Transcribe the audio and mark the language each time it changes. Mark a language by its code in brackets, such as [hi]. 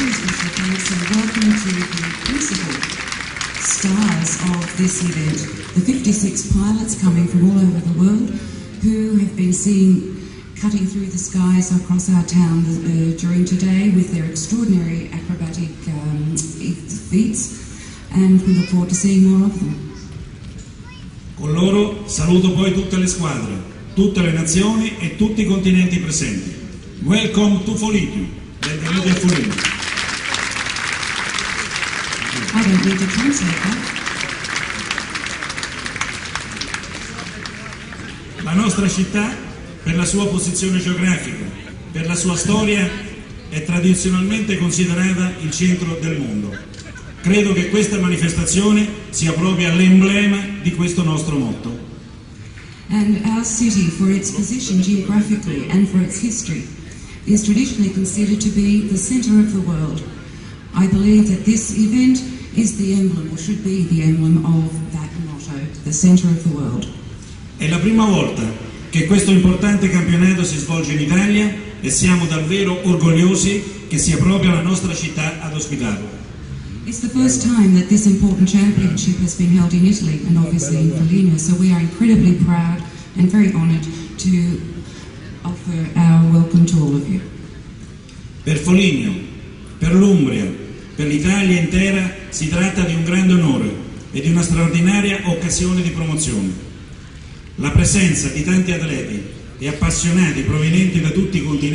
[en] Welcome to the principal stars of this event, the 56 pilots coming from all over the world who have been seen cutting through the skies across our town during today with their extraordinary acrobatic feats, and we look forward to seeing more of them. [it] Con loro saluto poi tutte le squadre, tutte le nazioni e tutti i continenti presenti. [en] Welcome to Foligno. [it] Benvenuti a Foligno. [en] I don't need to translate that. [it] La nostra città, per la sua posizione geografica, per la sua storia, è tradizionalmente considerata il centro del mondo. Credo che questa manifestazione sia proprio l'emblema di questo nostro motto. [en] And our city, for its position geographically and for its history, is traditionally considered to be the center of the world. I believe that this event is the emblem, or should be the emblem of that motto, the center of the world. [it] È la prima volta che questo importante campionato si svolge in Italia e siamo davvero orgogliosi che sia proprio la nostra città ad ospitarlo. [en] It's the first time that this important championship has been held in Italy, and obviously in Foligno, so we are incredibly proud and very honored to offer our welcome to all of you. [it] Per Foligno, per l'Umbria, per l'Italia intera, si tratta di un grande onore e di una straordinaria occasione di promozione. La presenza di tanti atleti e appassionati provenienti da tutti i